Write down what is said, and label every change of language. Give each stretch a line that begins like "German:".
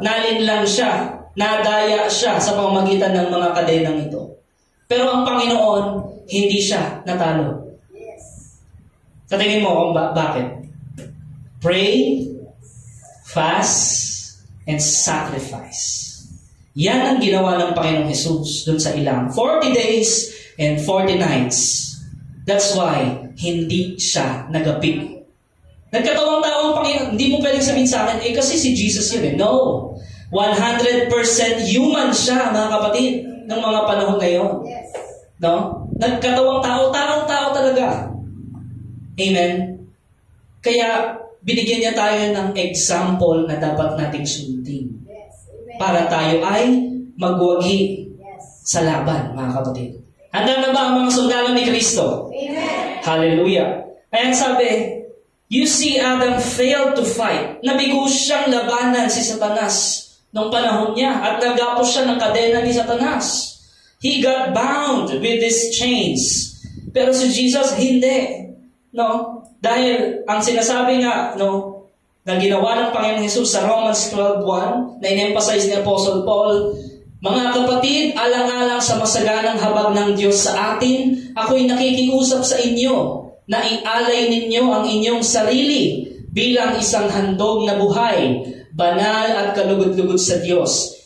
Filipino: Nalinlang siya, nadaya siya sa pamamagitan ng mga kadenang ito. Pero ang Panginoon, hindi siya natalo. Yes. Sa tingin mo, bakit?
English: Pray, fast, and sacrifice.
Filipino: Yan ang ginawa ng Panginoong Jesus dun sa ilang.
English: 40 days and 40 nights. That's why,
Filipino: hindi siya nagapig Nagkatawang tao ang Panginoon. Hindi mo pwedeng sabihin sa akin, eh kasi si Jesus yun eh. No. 100% human siya, mga kapatid, ng mga panahon ngayon. Yes. No? Nagkatawang tao, tarong tao talaga. Amen? Kaya, binigyan niya tayo ng example na dapat nating sundin. Yes. Amen. Para tayo ay magwagi, yes, sa laban, mga kapatid. Handa na ba ang mga sundalo ni Kristo? Amen. Hallelujah. Kaya sabi,
English: you see Adam failed to fight.
Filipino: Nabigo siyang labanan si Satanas nung panahon niya at nagapos siya ng kadena ni Satanas.
English: He got bound with these chains.
Filipino: Pero si Jesus, hindi. No? Dahil ang sinasabi nga, no, na ginawa ng Panginoong Jesus sa Romans 12:1, na in-emphasize ni Apostle Paul, mga kapatid, alang-alang sa masaganang habag ng Diyos sa atin, ako'y nakikiusap sa inyo na ialay ninyo ang inyong sarili bilang isang handog na buhay, banal at kalugod-lugod sa Diyos.